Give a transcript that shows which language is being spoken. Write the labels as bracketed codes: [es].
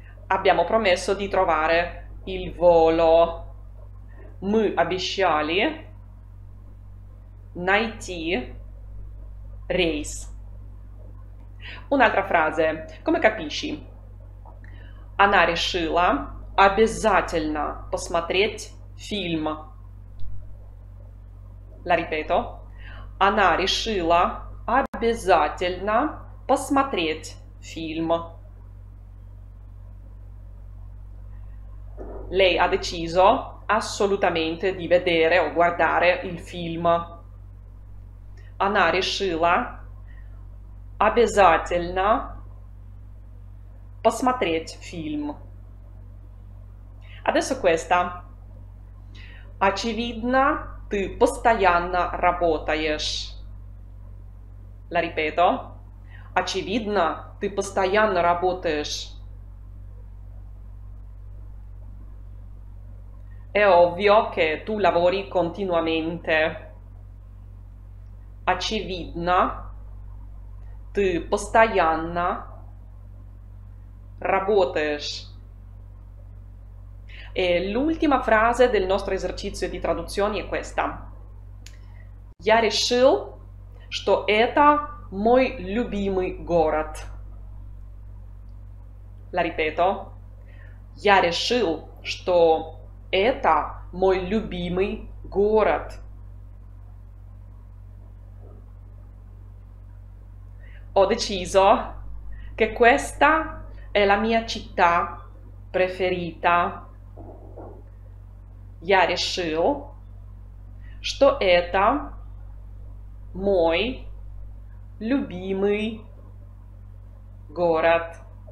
[it] Abbiamo promesso di trovare il volo. [ru] Мы обещали найти рейс. [it] Un'altra frase, come capisci? [ru] Она решила обязательно посмотреть фильм. [it] La ripeto. [ru] Она решила обязательно посмотреть фильм. [it] Lei ha deciso assolutamente di vedere o guardare il film. [ru] Она решила обязательно посмотреть фильм. [it] Adesso questa. [ru] Очевидно, ты постоянно работаешь. [it] La ripeto. [ru] Очевидно, ты постоянно работаешь. [it] È ovvio che tu lavori continuamente. [ru] Очевидно, ты постоянно работаешь. [it] E l'ultima frase del nostro esercizio di traduzioni è questa. [ru] Я решил, что это мой любимый город. [it] La ripeto. [ru] Я решил, что это мой любимый город. [it] Ho deciso che questa è la mia città preferita. [ru] Я решил, что это мой любимый город.